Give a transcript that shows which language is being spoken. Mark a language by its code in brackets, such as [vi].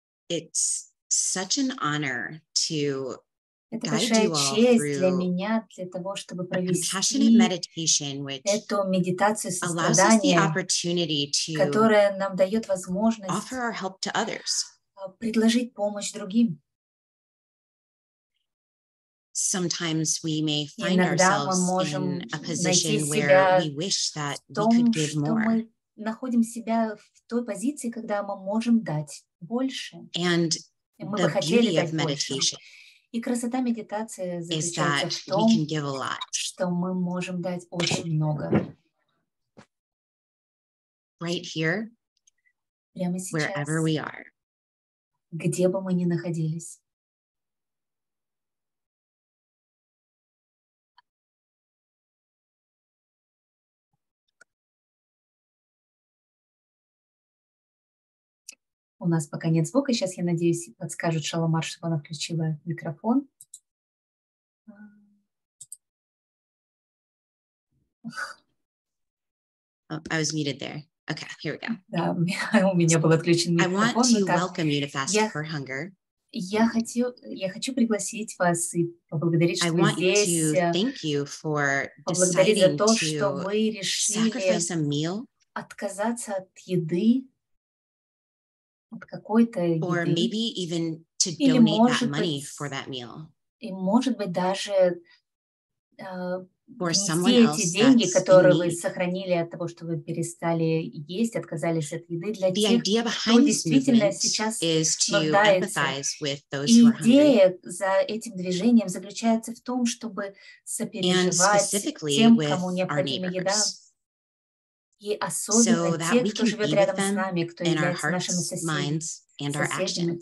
[en] It's such an honor to [ru] Это большая честь для меня, для того, чтобы провести эту медитацию сострадания, которая нам дает возможность [en] offer our help to others. [ru] Предложить помощь другим. [en] Sometimes we may find ourselves in a position where we wish that we could give more. [ru] Мы находим себя в той позиции, когда мы можем дать больше. [en] And the beauty of meditation. [ru] И красота медитации заключается в том, что мы можем дать очень много. [en] Right here, [ru] прямо сейчас, [en] wherever we are. [ru] Где бы мы ни находились. У нас пока нет звука. Сейчас, я надеюсь, подскажет Шаломар, чтобы она включила микрофон. [en] I was muted there. Okay, here we go. [ru] У меня был отключен микрофон. [en] I want to welcome you to Fast for Hunger. [ru] Я хочу пригласить вас и поблагодарить, что вы здесь. [en] I want to thank you for deciding to sacrifice a meal. [ru] Отказаться от еды, от какой-то еды. [en] Or maybe even to donate that money for that meal. [ru] И может быть даже все эти деньги, которые вы сохранили от того, что вы перестали есть, отказались от еды, для тех, кто действительно сейчас нуждается. Идея за этим движением заключается в том, чтобы сопереживать тем, кому необходима еда, и особенно тех, кто живет рядом с нами, кто является нашими соседями.